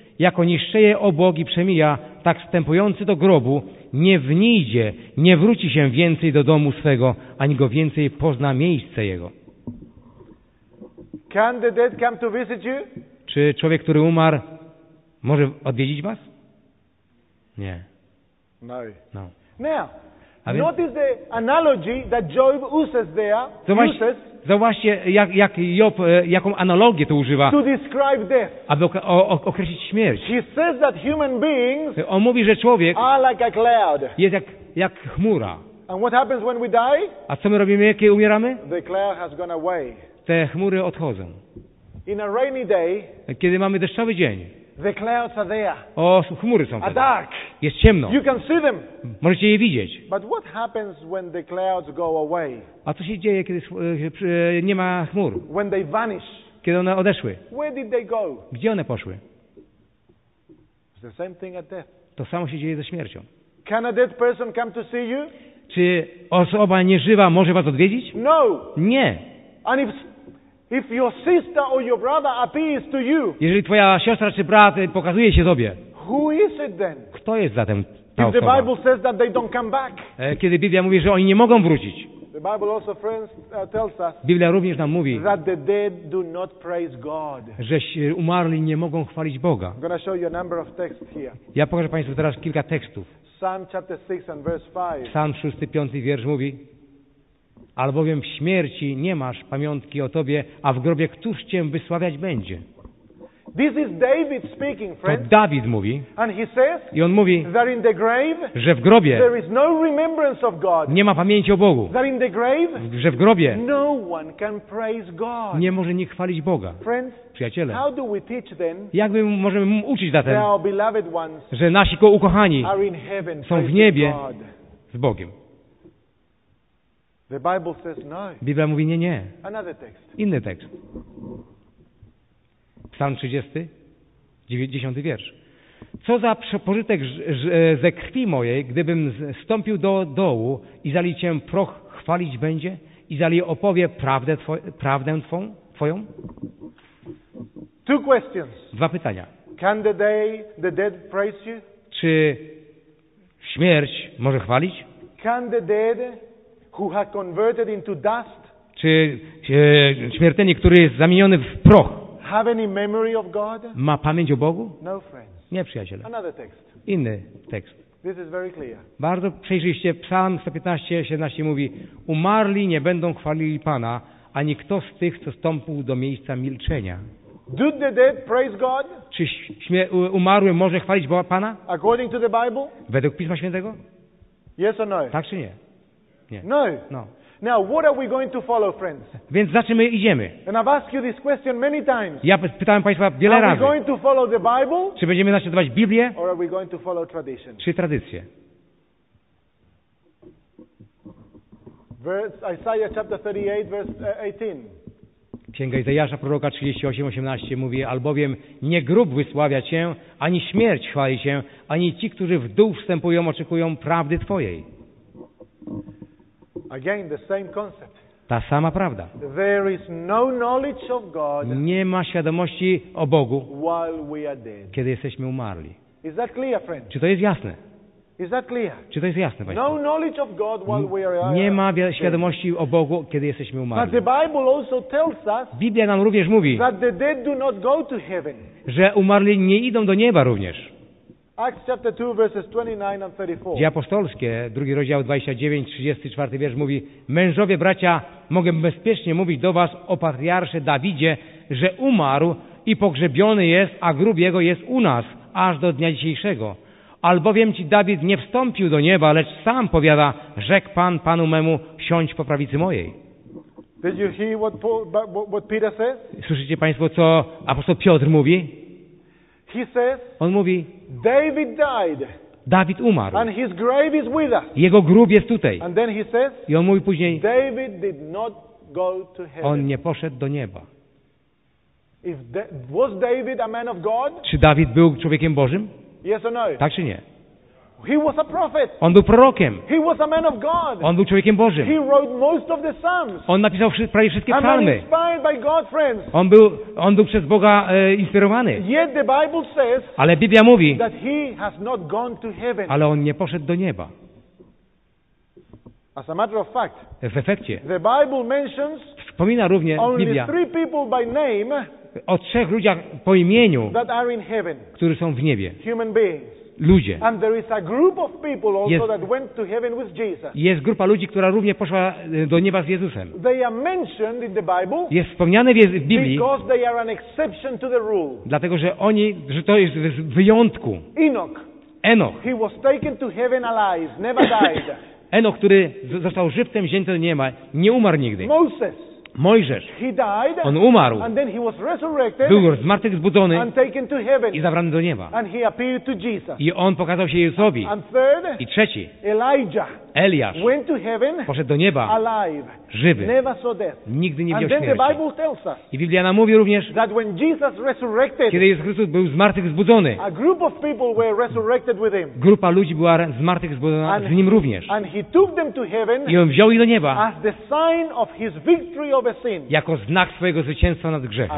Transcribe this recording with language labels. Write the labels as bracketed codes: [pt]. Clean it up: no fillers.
[pl] Jako niszczeje obłok i przemija, tak wstępujący do grobu, nie wnijdzie, nie wróci się więcej do domu swego, ani go więcej pozna miejsce jego. [en] Can the dead come to visit you? [pl] Czy człowiek, który umarł, może odwiedzić was? Nie. [en] No. [pl] No. [en] Now. Notice the analogy that Job uses there. [pl] Zauważcie, jak Job, jaką analogię to używa, [en] to describe death. [pl] Aby określić śmierć. [en] He says that human beings, [pl] on mówi, że człowiek [en] are like a cloud. [pl] Jest jak chmura. [en] And what happens when we die? [pl] A co my robimy, jak umieramy? [en] The cloud has gone away. [pl] Te chmury odchodzą. [en] In a rainy day, [pl] kiedy mamy deszczowy dzień, [en] the clouds are there. [pl] O, chmury są tam. [en] Dark. [pl] Jest ciemno. [en] You can see them. [pl] Możecie je widzieć. [en] But what happens when the clouds go away? [pl] A co się dzieje, kiedy nie ma chmur? [en] When they vanish. [pl] Kiedy one odeszły? [en] Where did they go? [pl] Gdzie one poszły? [en] It's the same thing at death. [pl] To samo się dzieje ze śmiercią. [en] Can a dead person come to see you? [pl] Czy osoba nieżywa może was odwiedzić? [en] No. [pl] Nie. [en] And if your sister or your brother appears to you, [pl] jeżeli twoja siostra czy brat pokazuje się tobie, [en] who is it then? [pl] Kto jest zatem ta osoba? [en] If the Bible says that they don't come back, [pl] kiedy Biblia mówi, że oni nie mogą wrócić, [en] the Bible also, friends, tells us, [pl] Biblia również nam mówi, [en] that the dead do not praise God. [pl] Że umarli nie mogą chwalić Boga. [en] I'm gonna show you a number of texts here. [pl] Ja pokażę Państwu teraz kilka tekstów. [en] Psalm chapter 6 and verse 5. [pl] Psalm 6, 5 wiersz mówi: albowiem w śmierci nie masz pamiątki o tobie, a w grobie któż cię wysławiać będzie? [en] This is David speaking, friends. [pl] To Dawid mówi. [en] And he says, [pl] i on mówi, [en] that in the grave, [pl] że w grobie [en] there is no remembrance of God. [pl] Nie ma pamięci o Bogu. [en] That in the grave, [pl] że w grobie [en] no one can praise God. [pl] Nie może nikt chwalić Boga. [en] Friends, [pl] przyjaciele, [en] how do we teach then, [pl] jak my możemy uczyć zatem, [en] that our beloved ones, [pl] że nasi ukochani [en] are in heaven, [pl] są w niebie z Bogiem? [en] The Bible says no. [pl] Biblia mówi nie, nie. [en] Another text. [pl] Inny tekst. Psalm 30, 10 wiersz. Co za pożytek ze krwi mojej, gdybym stąpił do dołu, Izali cię proch chwalić będzie? Izali opowie prawdę twoją? [en] Two questions. [pl] Dwa pytania. [en] Can the dead praise you? [pl] Czy śmierć może chwalić? [en] Can the dead who have converted into dust? [pl] Czy śmiertelnik, który jest zamieniony w proch, [en] have any memory of God? [pl] Ma pamięć o Bogu? [en] No, friends. [pl] Nie, przyjaciele. [en] Another text. [pl] Inny tekst. [en] This is very clear. [pl] Bardzo przejrzyście. Psalm 115, 17 mówi: umarli nie będą chwalili Pana, ani kto z tych, co stąpił do miejsca milczenia. [en] Do the dead praise God? [pl] Czy umarły może chwalić Pana? [en] According to the Bible? [pl] Według Pisma Świętego? [en] Yes or no? [pl] Tak czy nie? Nie. [en] No. [pl] No. [en] Now, what are we going to follow, friends? [pl] Więc za czym my idziemy? [en] And I've asked you this question many times. [pl] Ja pytałem Państwa wiele [en] are [pl] razy. [en] Are we going to follow the Bible? [pl] Czy będziemy naśladować Biblię? [en] Or are we going to follow tradition? [pl] Czy tradycję? [en] Isaiah chapter 38, verse 18. [pl] Księga Izajasza, proroka 38, 18 mówi: albowiem nie grób wysławia Cię, ani śmierć chwali Cię, ani ci, którzy w dół wstępują, oczekują prawdy Twojej. [en] Again, the same concept. [pl] Ta sama prawda. [en] There is no knowledge of God. [pl] Nie ma świadomości o Bogu. [en] While we are dead. [pl] Kiedy jesteśmy umarli. [en] Is that clear, friend? [pl] Czy to jest jasne? [en] Is that clear? [pl] Czy to jest jasne, Państwo? [en] No knowledge of God while we are alive. [pl] Nie ma świadomości o Bogu, kiedy jesteśmy umarli. [en] But the Bible also tells us. [pl] Biblia nam również mówi, [en] that the dead do not go to heaven. [pl] Że umarli nie idą do nieba również. [en] Acts chapter 2, verses 29 and 34. [pl] Dzieje apostolskie, drugi rozdział 29-34 wiersz mówi: mężowie, bracia, mogę bezpiecznie mówić do was o patriarsze Dawidzie, że umarł i pogrzebiony jest, a grób jego jest u nas aż do dnia dzisiejszego. Albowiem ci Dawid nie wstąpił do nieba, lecz sam powiada, rzekł Pan Panu memu, siądź po prawicy mojej. [en] Did you hear what Peter says? [pl] Słyszycie Państwo, co apostoł Piotr mówi? [en] He says, [pl] on mówi, [en] David died. [pl] Dawid umarł. [en] And his grave is with us. [pl] Jego grób jest tutaj. [en] And then he says, [pl] i on mówi później, [en] David did not go to heaven. [pl] On nie poszedł do nieba. [en] Was David a man of God? [pl] Czy Dawid był człowiekiem Bożym? [en] Yes or no? [pl] Tak czy nie? [en] He was a prophet. [pl] On był prorokiem. [en] He was a man of God. [pl] On był człowiekiem Bożym. [en] He wrote most of the Psalms. [pl] On napisał prawie wszystkie psalmy. [en] And inspired by God, friends. [pl] On był przez Boga inspirowany. [en] Yet the Bible says, [pl] ale Biblia mówi, [en] that he has not gone to heaven. [pl] Ale on nie poszedł do nieba. [en] As a matter of fact, [pl] w efekcie, [en] the Bible mentions, [pl] wspomina również [en] only [pl] Biblia, [en] three people by name, [pl] o trzech ludziach po imieniu, [en] that are in heaven, [pl] którzy są w niebie. [en] Human beings. [pl] Ludzie. [en] And there is a group of people also jest, that went to heaven with Jesus. [pl] Jest grupa ludzi, która również poszła do nieba z Jezusem. [en] They are mentioned in the Bible. [pl] Jest wspomniane w Biblii. [en] Because they are an exception to the rule. [pl] Dlatego, że oni, że to jest w wyjątku. [en] Enoch. He was taken to heaven alive, never died. [pl] Enoch, który został żywcem wzięty do nieba, nie umarł nigdy. [en] Moses. [pl] Mojżesz. [en] He died, [pl] on umarł. [en] And then he was resurrected, [pl] był zmartwychwzbudzony [en] and taken to heaven, [pl] i zabrany do nieba. [en] And he appeared to Jesus. [pl] I on pokazał się Jezusowi. [en] And third, [pl] i trzeci, [en] Elijah, [pl] Eliasz, [en] went to heaven, [pl] poszedł do nieba [en] alive, [pl] żywy. [en] Never saw death. [pl] Nigdy nie [en] and [pl] widział [en] then [pl] śmierci. [en] The Bible tells us, [pl] i Biblia nam mówi również, [en] that when Jesus resurrected, [pl] kiedy Jezus Chrystus był zmartwychwzbudzony, [en] a group of people were resurrected with him, [pl] grupa ludzi była zmartwychwzbudzona [en] and [pl] z Nim również. [en] And he took them to heaven, [pl] i on wziął ich do nieba [en] as the sign of his victory, [pl] jako znak swojego zwycięstwa nad grzechem.